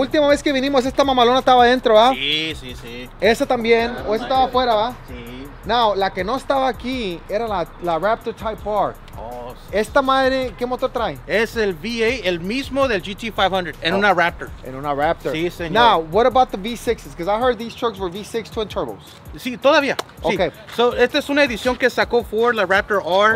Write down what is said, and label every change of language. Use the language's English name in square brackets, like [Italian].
[Spanish] Última vez que vinimos, esta mamalona estaba adentro, ¿va? Sí. Esa también, claro, o esa estaba afuera, ¿va? Sí. Now, la que no estaba aquí era la Raptor Type R. Oh, esta madre, ¿qué motor trae? Es el VA, el mismo del GT500, en una Raptor. En una Raptor. Sí, señor. [English] Now, what about the V6s? Because I heard these trucks were V6 twin turbos. [Spanish] Sí, todavía. Sí. Okay. So, esta es una edición que sacó Ford, la Raptor R.